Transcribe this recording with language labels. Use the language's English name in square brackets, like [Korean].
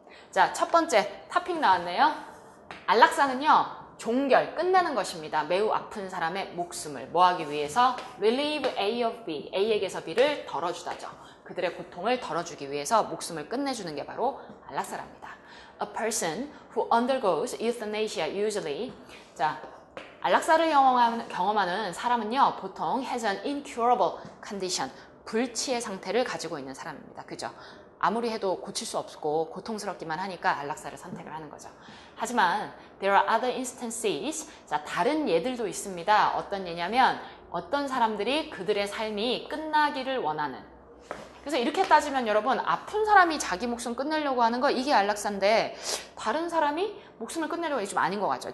[Korean] 자, 첫 번째 탑픽 나왔네요. 안락사는요, 종결, 끝내는 것입니다. 매우 아픈 사람의 목숨을 뭐하기 위해서? [English] Relieve A of B. [Korean] A에게서 B를 덜어주다죠. 그들의 고통을 덜어주기 위해서 목숨을 끝내주는 게 바로 안락사랍니다. [English] A person who undergoes euthanasia usually. [Korean] 자, 안락사를 경험하는 사람은요, 보통 [English] has an incurable condition. [Korean] 불치의 상태를 가지고 있는 사람입니다. 그죠? 아무리 해도 고칠 수 없고 고통스럽기만 하니까 안락사를 선택을 하는 거죠. 하지만 [English] there are other instances. [Korean] 자, 다른 예들도 있습니다. 어떤 예냐면 어떤 사람들이 그들의 삶이 끝나기를 원하는. 그래서 이렇게 따지면 여러분 아픈 사람이 자기 목숨 끝내려고 하는 거 이게 안락사인데 다른 사람이 목숨을 끝내려고 이게 좀 아닌 것 같죠.